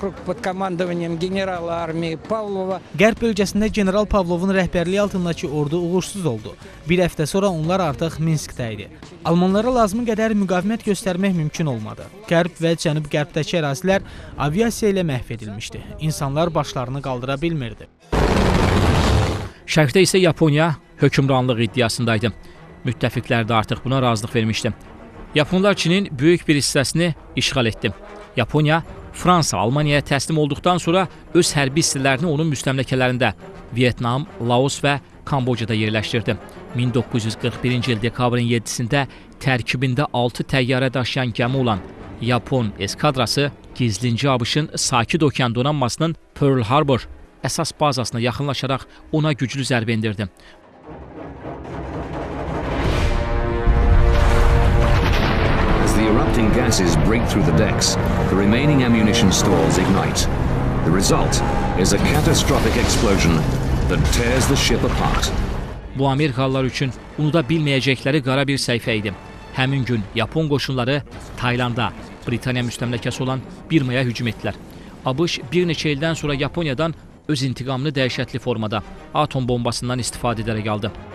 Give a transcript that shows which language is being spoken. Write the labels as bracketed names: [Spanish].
[Azerbaijani] Qərb bölgəsində General Pavlovun rəhbərliyi altındakı ordu uğursuz oldu. Bir həftə sonra onlar artıq Minskdə idi. Almanlara lazımı qədər müqavimət göstərmək mümkün olmadı. Qərb və cənub-qərbdəki ərazilər aviasiya ilə məhv edilmişdi. İnsanlar başlarını qaldıra bilmirdi. Şərqdə isə Yaponiya hökmranlıq iddiasındaydı. Müttəfiqlər də artıq buna razılıq vermişdi. Yaponlar Çinin böyük bir hissəsini işğal etdi. Yaponiya Fransa Almaniyaya təslim olduqdan sonra öz hərbi hissələrini onun müstəmləkələrində Vietnam, Laos və Kambocada yerləşdirdi. 1941-ci il dekabrın 7-sində tərkibində 6 təyyarə daşıyan gəmi olan Yapon eskadrası gizlinci ABŞ'ın Sakit Okyan donanmasının Pearl Harbor əsas bazasına yaxınlaşaraq ona güclü zərb indirdi. [English] As the erupting gases break through the decks, the remaining ammunition stores ignite. The result is a catastrophic explosion that tears the ship apart. [Azerbaijani] Bu Amerikalılar üçün unuda bilməyəcəkləri qara bir səhifə idi. Həmin gün Yapon qoşunları Taylanda, Britaniya müstəmləkəsi olan Birmaya hücum etdilər. ABŞ bir neçə ildən sonra Yaponiyadan öz intiqamını dəhşətli formada atom bombasından istifadə edərək aldı.